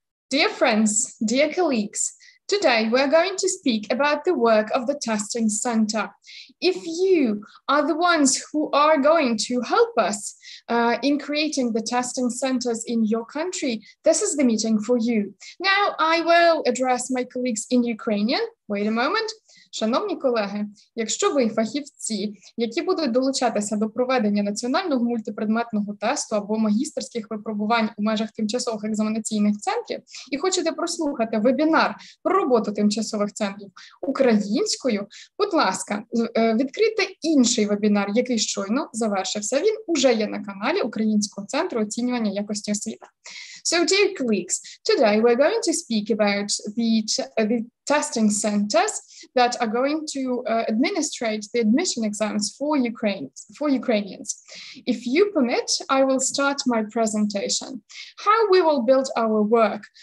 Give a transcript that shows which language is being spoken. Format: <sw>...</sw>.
<en>Dear friends, dear colleagues, today we are going to speak about the work of the testing center. If you are the ones who are going to help us in creating the testing centers in your country, this is the meeting for you. Now I will address my colleagues in Ukrainian. Wait a moment.</en> <uk>Шановні колеги, якщо ви фахівці, які будуть долучатися до проведення національного мультипредметного тесту або магістерських випробувань у межах тимчасових екзаменаційних центрів і хочете прослухати вебінар про роботу тимчасових центрів українською, будь ласка, відкрийте інший вебінар, який щойно завершився. Він уже є на каналі Українського центру оцінювання якості освіти.</uk> <en>So, dear colleagues, today we're going to speak about the testing centers that are going to administrate the admission exams for Ukrainians. If you permit, I will start my presentation. How we will build our work.</en>